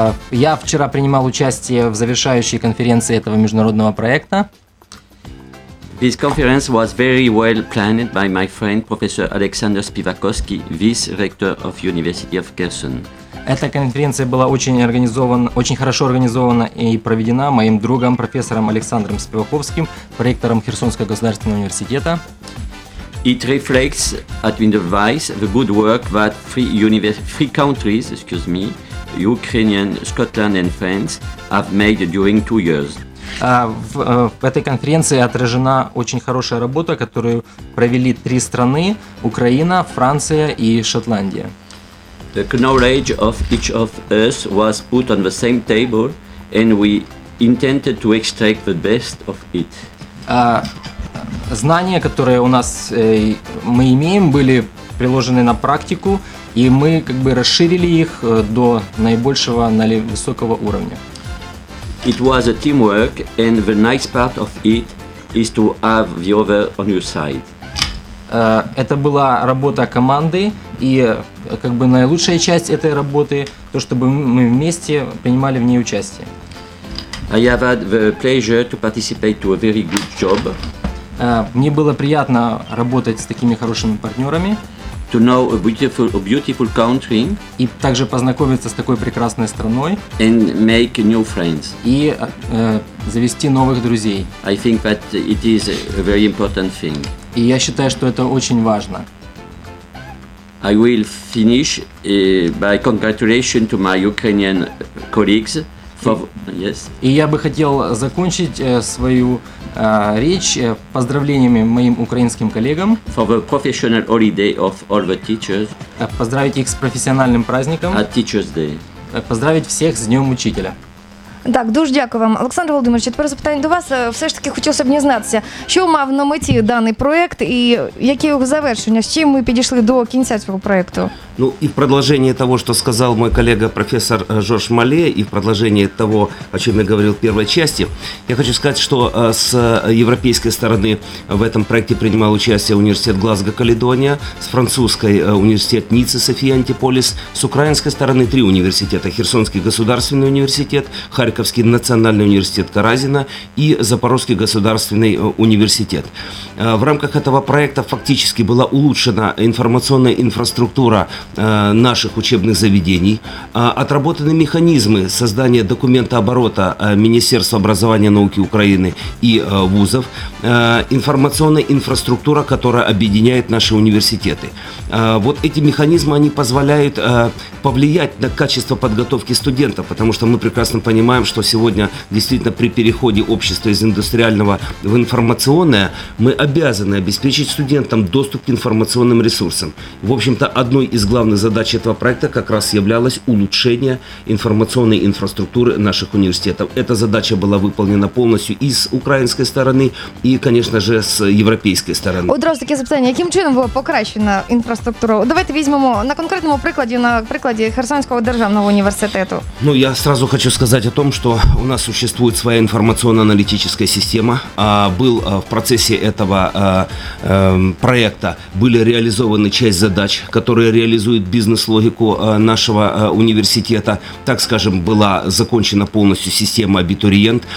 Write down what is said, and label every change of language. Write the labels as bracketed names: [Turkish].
[Russian] Я вчера принимал участие в завершающей конференции этого международного проекта. [English] This conference was very well planned by my friend Professor Alexander Spivakovsky, vice-rector of University of Kherson. [Russian] Эта конференция была очень хорошо организована и проведена моим другом профессором Александром Спиваковским, проректором Херсонского государственного университета. [English] It reflects at the vice the good work that three countries, Ukraine, Scotland and France have made during 2 years. [Russian] В этой конференции отражена очень хорошая работа, которую провели три страны: Украина, Франция и Шотландия. [English] The knowledge of each of us was put on the same table, and we intended to extract the best of it. [Russian] Знания, которые у нас мы имеем, были приложены на практику, и мы как бы расширили их до наибольшего, высокого уровня. [English] It was a teamwork, and the nice part of it is to have the other on your side. [Russian] Это была работа команды, и как бы наилучшая часть этой работы то, чтобы мы вместе принимали в ней участие. [English] I have had the pleasure to participate to a very good job. [Russian] Мне было приятно работать с такими хорошими партнерами. [English] To know a beautiful country, [Russian] и также познакомиться с такой прекрасной страной, [English] and make new friends, [Russian] и завести новых друзей. [English] I think that it is a very important thing. [Russian] И я считаю, что это очень важно. [English] I will finish by congratulation to my Ukrainian colleagues for yes. [Russian] И я бы хотел закончить свою речь поздравлениями моим украинским коллегам. [English] For the professional holiday of all the teachers. [Russian] Поздравить их с профессиональным праздником. [English] At Teachers Day. [Russian] Поздравить всех с Днем Учителя. [Ukrainian] Так, дуже дякую вам. Олександр Володимирович, тепер запитання до вас. Все ж таки хотілося б дізнатися, що мав на меті даний проект і яке його завершення? З чим ми підійшли до кінця цього проекту? Ну, і в продовження того, що сказав мій колега професор Жорж Мале, і в продовження того, о чому я говорив в першій частині, я хочу сказати, що з європейської сторони в цьому проєкті приймав участь університет Глазго-Каледонія, з французької університет Ніцца Софія Антиполіс, з української сторони три університети: Херсонський государственный університет, Харківський національний університет Каразіна і Запорозький государственный університет. В рамках цього проєкту фактично була улучшена інформаційна інфраструктура наших [Russian] учебных заведений, отработаны механизмы создания документа оборота Министерства образования и науки Украины и вузов, информационная инфраструктура, которая объединяет наши университеты. Вот эти механизмы, они позволяют повлиять на качество подготовки студентов, потому что мы прекрасно понимаем, что сегодня действительно при переходе общества из индустриального в информационное мы обязаны обеспечить студентам доступ к информационным ресурсам. В общем-то, одной из главных задач этого проекта как раз являлось улучшение информационной инфраструктуры наших университетов. Эта задача была выполнена полностью и с украинской стороны, и, конечно же, с европейской стороны. [Ukrainian] Одразу таке запитання. Яким чином була покращена інфраструктура? Давайте візьмемо на конкретному прикладі, на прикладі Херсонського державного університету. [Russian] Ну, я сразу хочу сказать о том, что у нас существует своя информационно-аналитическая система. Был в процессе этого проекта, были реализованы часть задач, которые реализуют бизнес-логику нашего университета. Так скажем, была закончена полностью система абитуриент.